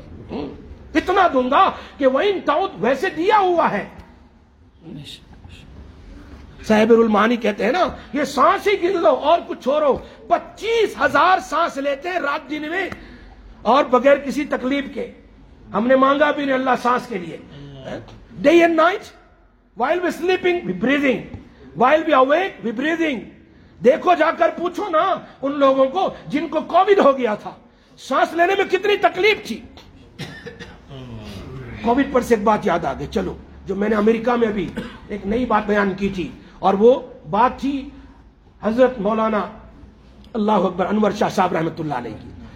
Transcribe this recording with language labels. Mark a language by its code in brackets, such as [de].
[ur] اتنا دوں گا کہ وہ ان تعود ویسے دیا ہوا ہے. صاحب المانی کہتے ہیں نا، یہ سانس ہی گن لو اور کچھ چھوڑو. 25,000 سانس لیتے ہیں رات دن میں اور بغیر کسی تکلیف کے، ہم نے مانگا بھی نہیں اللہ سانس کے لیے. [en] Day and night, while we sleeping we breathing, while we awake we breathing. [ur] دیکھو جا کر پوچھو نا ان لوگوں کو جن کو کووڈ ہو گیا تھا، سانس لینے میں کتنی تکلیف تھی. کووڈ پر سے ایک بات یاد آ گئی، چلو، جو میں نے امریکہ میں ابھی ایک نئی بات بیان کی تھی، اور وہ بات تھی حضرت مولانا اللہ اکبر انور شاہ صاحب رحمۃ اللہ علیہ کی.